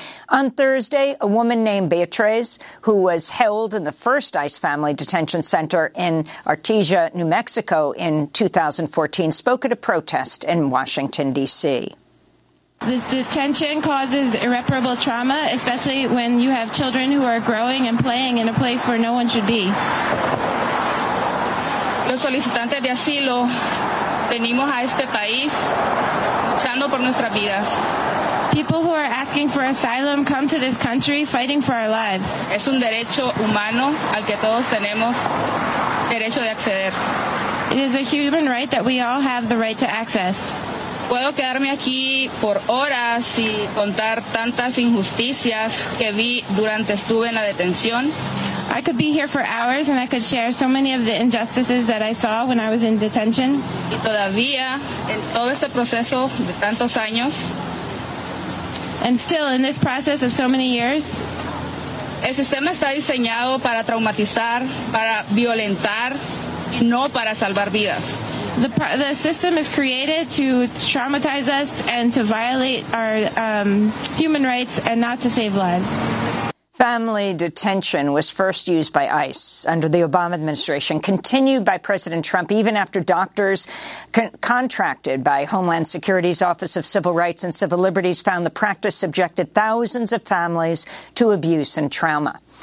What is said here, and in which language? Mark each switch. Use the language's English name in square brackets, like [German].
[English] On Thursday, a woman named Beatriz, who was held in the first ICE family detention center in Artesia, New Mexico in 2014, spoke at a protest in Washington, D.C. The detention causes irreparable trauma, especially when you have children who are growing and playing in a place where no one should be. [Spanish] Los solicitantes de asilo venimos a este país luchando por nuestras vidas. [English] People who are asking for asylum come to this country fighting for our lives. [Spanish] Es un derecho humano al que todos tenemos derecho de acceder. [English] It is a human right that we all have the right to access. [Spanish] Puedo quedarme aquí por horas y contar tantas injusticias que vi durante estuve en la detención. [English] I could be here for hours and I could share so many of the injustices that I saw when I was in detention. [Spanish] Y todavía, en todo este proceso de tantos años. [English] And still, in this process of so many years. [Spanish] El sistema está diseñado para traumatizar, para violentar, y no para salvar vidas. [English] The system is created to traumatize us and to violate our human rights and not to save lives. Family detention was first used by ICE under the Obama administration, continued by President Trump even after doctors contracted by Homeland Security's Office of Civil Rights and Civil Liberties found the practice subjected thousands of families to abuse and trauma.